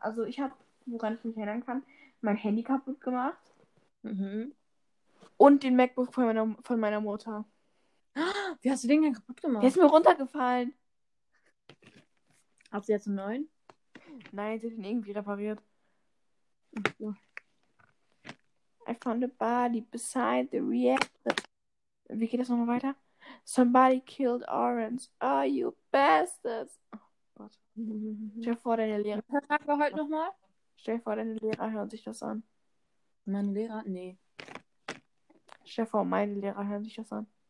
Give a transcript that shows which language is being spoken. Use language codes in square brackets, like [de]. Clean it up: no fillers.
[de] Also ich habe, woran ich mich erinnern kann, mein Handy kaputt gemacht. Und den MacBook von meiner Mutter. Wie hast du den denn kaputt Der ist gemacht? mir runtergefallen. Habt ihr jetzt einen neuen? Nein, sie hat ihn irgendwie repariert. Ach so. [en] I found a body beside the reactor. [de] Wie geht das nochmal weiter? [en] Somebody killed Orange. Oh, you bastards. [de] Oh Gott. Stell vor, deine Lehrer. Was sagen wir heute nochmal? Stell vor, deine Lehrer hören sich das an. Meine Lehrer? Nee. Stell vor, meine Lehrer hören sich das an.